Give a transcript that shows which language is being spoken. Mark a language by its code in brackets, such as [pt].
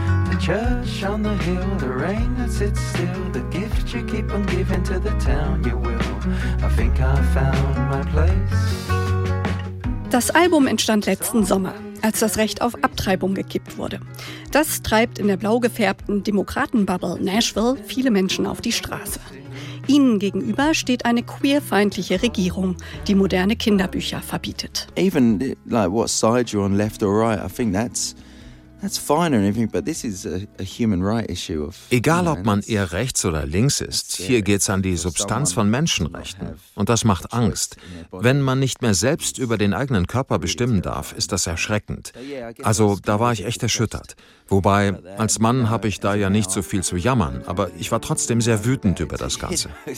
[en] The church on the hill, the rain that sits still, the gift you keep on giving to the town you will. I think I found my place. [de] Das Album entstand letzten Sommer, als das Recht auf Abtreibung gekippt wurde. Das treibt in der blau gefärbten Demokraten-Bubble Nashville viele Menschen auf die Straße. Ihnen gegenüber steht eine queerfeindliche Regierung, die moderne Kinderbücher verbietet. [en] Even like what side you're on, left or right, I think that's fine or anything, but this is a human right issue. [de] Egal, ob man eher rechts oder links ist, hier geht's an die Substanz von Menschenrechten. Und das macht Angst. Wenn man nicht mehr selbst über den eigenen Körper bestimmen darf, ist das erschreckend. Also da war ich echt erschüttert. Wobei, als Mann habe ich da ja nicht so viel zu jammern, aber ich war trotzdem sehr wütend über das Ganze.